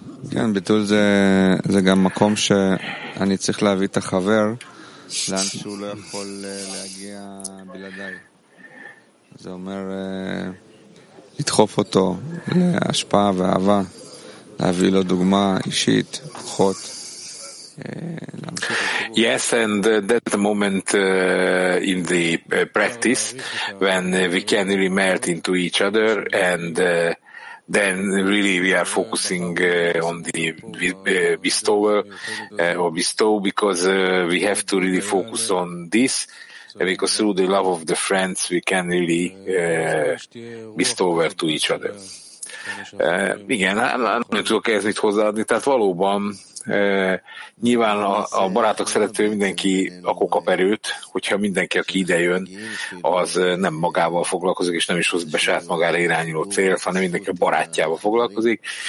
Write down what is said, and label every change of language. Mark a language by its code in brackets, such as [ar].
[he] כן, ביטול זה גם מקום שאני צריך להביא את החבר לאן שהוא לא יכול להגיע בלעדיי. זה אומר לדחוף אותו להשפעה ואהבה, להביא לו דוגמה אישית, פחות. [en] Yes, and that's the moment in the practice when we can really melt into each other, and then really we are focusing on the bestower, or bestow, because we have to really focus on this. and consider the love of the friends we can really bestow over to each other. [hu] Igen, nem tudok ezt itt hozzáadni, tehát valóban nyilván a barátok szerető mindenki akkor kap erőt, hogyha mindenki, aki ide jön, az nem magával foglalkozik, és nem is hoz be saját magára irányuló célt, hanem mindenki a barátjával foglalkozik.